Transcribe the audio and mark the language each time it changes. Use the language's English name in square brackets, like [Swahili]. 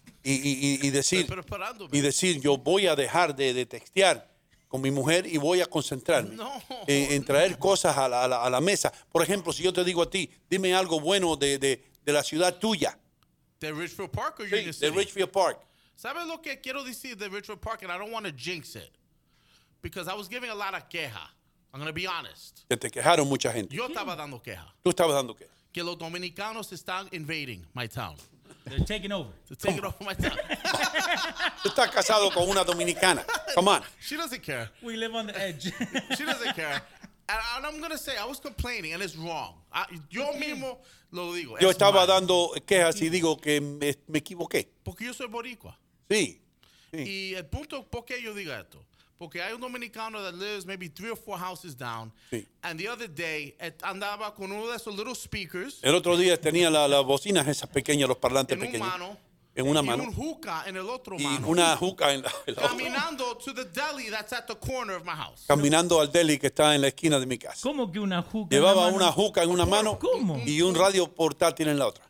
[Spanish] Y decir, yo voy a dejar de textear con mi mujer y voy a concentrarme en traer cosas a la mesa. Por ejemplo, si yo te digo a ti, dime algo bueno de la ciudad tuya. ¿De Richfield Park? Sí, de Richfield Park. ¿Sabes lo que quiero decir de Richfield Park? [English] And I don't want to jinx it. Because I was giving a lot of queja. I'm going to be honest. [Spanish] Que te quejaron mucha gente. Yo estaba dando queja. ¿Tú estabas dando queja? Que los dominicanos están [English] invading my town. They're taking over my town. [Spanish] Tú estás casado con una dominicana. [English] Come on. She doesn't care. We live on the edge. She doesn't care. And I'm going to say, I was complaining, and it's wrong. [Spanish] Yo mismo lo digo. Yo estaba dando quejas y digo que me equivoqué. Porque yo soy boricua. Sí. Y el punto, ¿por qué yo digo esto? Porque hay un dominicano [English] that lives maybe 3 or 4 houses down. [Spanish] Sí. [English] And the other day, [Spanish] andaba con uno de esos [English] little speakers. [Spanish] El otro día tenía las bocinas esas pequeñas, los parlantes pequeños. En un mano en una mano y un juca en el otro mano y una juca en la otra. Caminando [English] to the deli that's at the corner of my house. [Spanish] Caminando al deli que está en la esquina de mi casa. ¿Cómo que una juca? Llevaba una juca en una mano y un radio portátil en la otra.